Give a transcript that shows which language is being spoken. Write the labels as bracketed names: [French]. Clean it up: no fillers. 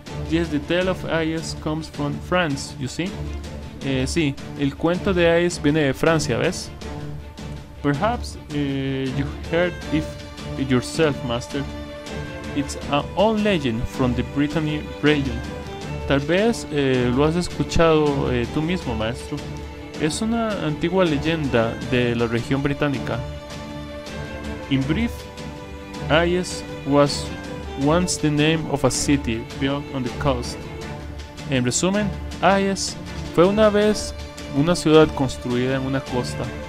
[English] Yes, the tale of Ayes comes from France, you see? [Spanish] Sí, el cuento de Ayes viene de Francia, ¿ves? [English] Perhaps you heard if yourself, Master. It's an old legend from the Brittany region. [Spanish] Tal vez lo has escuchado tú mismo, Maestro. Es una antigua leyenda de la región británica. [English] In brief, Ayes was once the name of a city built on the coast. [Spanish] En resumen, Ayes fue una vez una ciudad construida en una costa.